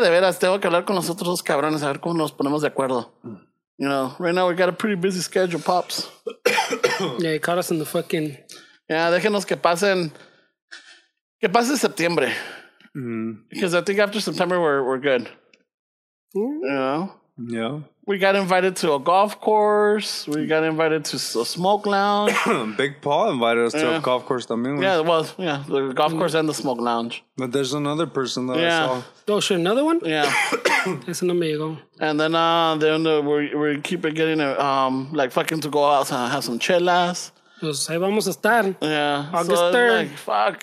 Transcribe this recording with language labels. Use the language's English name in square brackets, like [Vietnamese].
[Spanish] De veras, tengo que hablar con los otros dos cabrones a ver cómo nos ponemos de acuerdo. [English] You know, right now we got a pretty busy schedule, Pops. Yeah, he caught us in the fucking... [Spanish] Yeah, déjenos que pasen... Que pase septiembre. [English] Because I think after September we're good. You know? Yeah. We got invited to a golf course. We got invited to a smoke lounge. Big Paul invited us to a golf course [Spanish] también. [English] Yeah, well, yeah, the golf course and the smoke lounge. But there's another person that I saw. Oh, shit, another one? Yeah. That's an amigo. And then we keep getting, like, fucking to go out and have some chelas. [Spanish] Pues ahí vamos a estar. [English] Yeah. August 3rd. So, like,